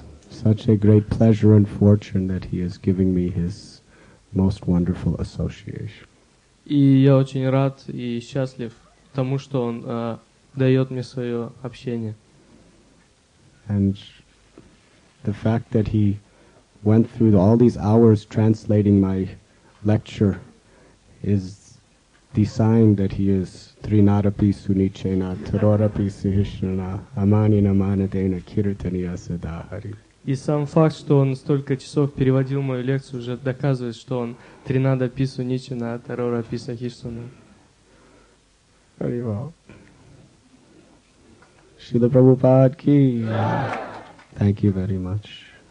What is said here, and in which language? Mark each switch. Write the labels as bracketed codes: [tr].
[en] Such a great pleasure and fortune that he is giving me his most wonderful association. [ru] И я очень рад и счастлив тому, что он дает мне свое общение. [en] And the fact that he went through all these hours translating my lecture is the sign that he is [sa] Trinadapi Sunichena, Tarorapi Sihishnana, Amanina Manadena, Kirtaniya Sadahari. [ru] И сам факт, что он столько часов переводил мою лекцию, уже доказывает, что он Тринада Пису Ничина, а Тарора Писа Хишсуна. Харивал. Шрила Прабхупад ки. [en] Thank you very much.